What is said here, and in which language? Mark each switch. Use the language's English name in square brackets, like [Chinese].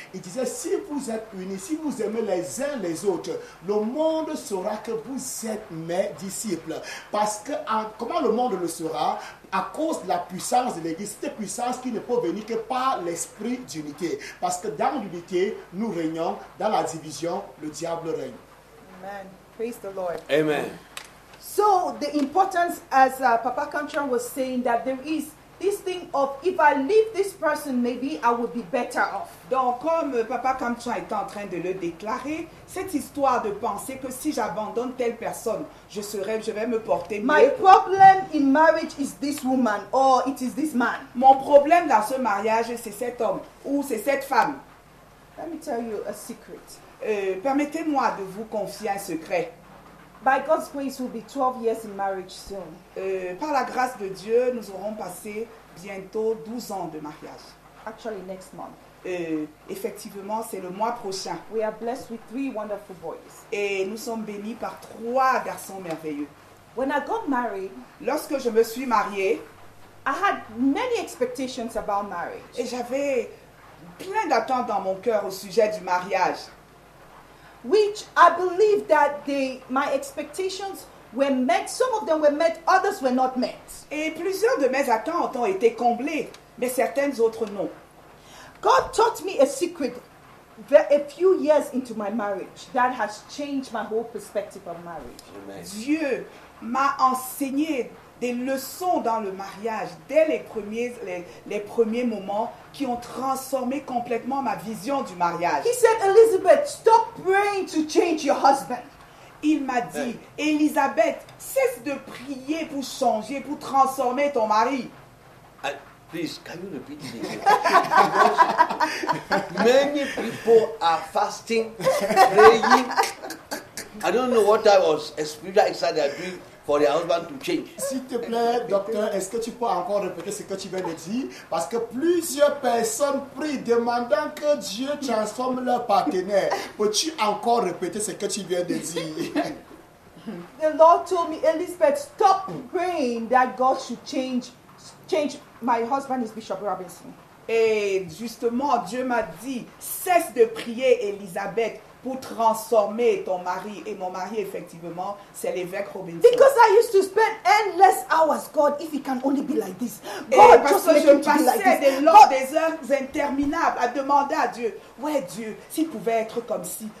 [French] Il disait si vous êtes unis, si vous aimez les uns les autres, le monde saura que vous êtes mes disciples. Parce que comment le monde le saura? À cause de la puissance de l'Église, cette puissance qui ne peut venir que par l'esprit d'unité. Parce que dans l'unité, nous régnons, dans la division, le diable règne. [English] Amen. Praise the Lord. Amen. So, the importance, as Papa Kanchan was saying, that there is this thing of, if I leave this person, maybe I will be better off. [French] Donc, comme Papa Kanchan est en train de le déclarer, cette histoire de penser que si j'abandonne telle personne, je vais me porter mieux. [English] My problem in marriage is this woman, or it is this man. [French] Mon problème dans ce mariage, c'est cet homme, ou c'est cette femme. [English] Let me tell you a secret. [French] Permettez-moi de vous confier un secret. [English] By God's grace, we'll be 12 years in marriage soon. [French] Par la grâce de Dieu, nous aurons passé bientôt 12 ans de mariage. [English] Actually, next month. [French] Effectivement, c'est le mois prochain. [English] We are blessed with 3 wonderful boys. [French] Et nous sommes bénis par 3 garçons merveilleux. [English] When I got married, [French] lorsque je me suis mariée, [English] I had many expectations about marriage. [French] Et j'avais plein d'attentes dans mon cœur au sujet du mariage. [English] Which I believe that my expectations were met. Some of them were met, others were not met. [French] Et plusieurs de mes attentes ont été comblées, mais certaines autres non. [English] God taught me a secret a few years into my marriage that has changed my whole perspective of marriage. Amen. [French] Dieu m'a enseigné des leçons dans le mariage dès les premiers moments qui ont transformé complètement ma vision du mariage. [English] He said, Elizabeth, stop praying to change your husband. [French] Il m'a dit, Elizabeth, cesse de prier pour changer, pour transformer ton mari. [English] Please, can you repeat this? Because many people are fasting, praying. I don't know what type of spiritual exercise they are doing for their husband to change. [French] S'il te plaît, docteur, est-ce que tu peux encore répéter ce que tu viens de dire? Parce que plusieurs personnes prient demandant que Dieu transforme leur partenaire. Peux-tu encore répéter ce que tu viens de dire? [English] The Lord told me, Elizabeth, stop praying that God should change. My husband is Bishop Robinson. [French] Et justement, Dieu m'a dit, cesse de prier, Elizabeth, pour transformer ton mari. Et mon mari, effectivement, c'est l'évêque Robinson. Because I used to spend endless hours, God, if it can only be like this. Et parce que je passais des longues, des heures interminables à demander à Dieu, ouais, Dieu, s'il pouvait être comme ci.